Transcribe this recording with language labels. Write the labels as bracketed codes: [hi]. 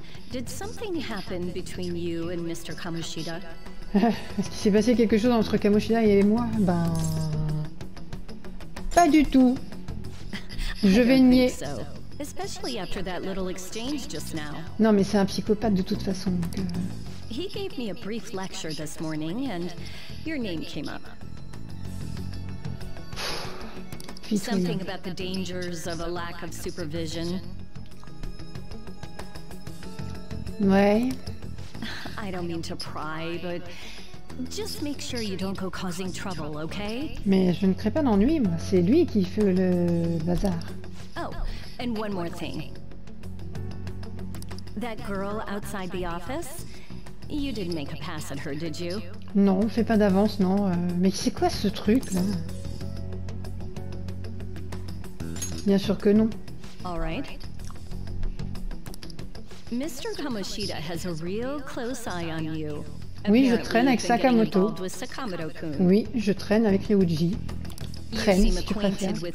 [en] Did something happen between you and Mr. Kamoshida? [fr] Est-ce qu'il s'est passé quelque chose entre Kamoshida et moi? Ben... pas du tout. Je vais nier. [en] Especially after that little exchange just now. [fr] Non, mais c'est un psychopathe de toute façon. [en] He gave me a brief lecture this morning and your name came up. Something about the dangers of a lack of supervision. [fr] Ouais. [en] I don't mean to pry, but just make sure you don't go causing trouble, okay? [fr] Mais je ne crée pas d'ennui, moi. C'est lui qui fait le bazar. [en] Oh, and one more thing. That girl outside the office, you didn't make a pass at her, did you? [fr] Non, fais pas d'avance, non. Mais c'est quoi ce truc là? Bien sûr que non. [en] All right. Mr. Kamoshida has a real close eye on you. [fr] Oui, je traîne avec Sakamoto. Oui, je traîne avec Ryuji. Traîne, si tu préfères.